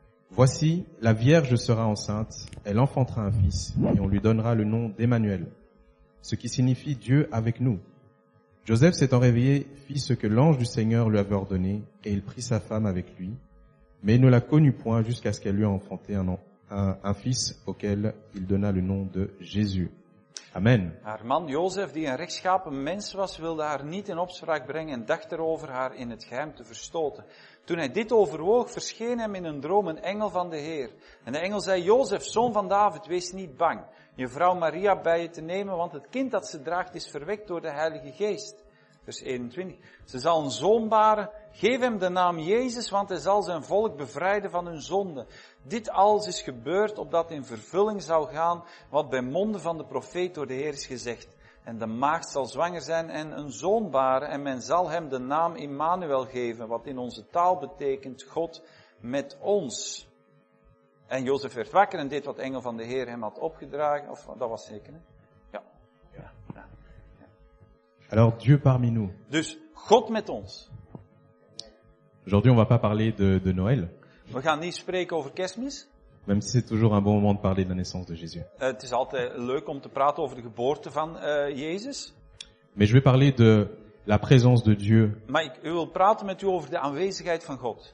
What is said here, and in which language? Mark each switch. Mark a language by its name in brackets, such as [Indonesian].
[French] Voici, la Vierge sera enceinte, elle enfantera un fils et on lui donnera le nom d'Emmanuel, ce qui signifie Dieu avec nous. Joseph s'étant réveillé, fit ce que l'ange du Seigneur lui avait ordonné, et il prit sa femme avec lui. Mais il ne la connut point jusqu'à ce qu'elle lui ait enfanté un fils auquel il donna le nom de Jésus. Amen. [Dutch] Haar man Jozef, die een rechtschapen mens was, wilde haar niet in opspraak brengen en dacht erover haar in het geheim te verstoten. Toen hij dit overwoog, verscheen hem in een droom een engel van de Heer. En de engel zei, Jozef, zoon van David, wees niet bang je vrouw Maria bij je te nemen, want het kind dat ze draagt is verwekt door de Heilige Geest. Vers 21. Ze zal een zoon baren, geef hem de naam Jezus, want hij zal zijn volk bevrijden van hun zonden. Dit alles is gebeurd, opdat in vervulling zou gaan wat bij monden van de profeet door de Heer is gezegd. En de maagd zal zwanger zijn en een zoon baren, en men zal hem de naam Immanuel geven, wat in onze taal betekent God met ons. En Jozef werd wakker en deed wat engel van de Heer hem had opgedragen. Of dat was zeker, hè? [French] Alors Dieu parmi nous. [Dutch] Dus God met ons. [French] Aujourd'hui, on va pas parler de Noël. [Dutch] We gaan niet spreken over Kerstmis. [French] Même si c'est toujours un bon moment de parler de la naissance de Jésus. [Dutch] Het is altijd leuk om te praten over de geboorte van Jezus. [French] Mais je vais parler de la présence de Dieu. [Dutch] Maar ik wil praten met u over de aanwezigheid van God.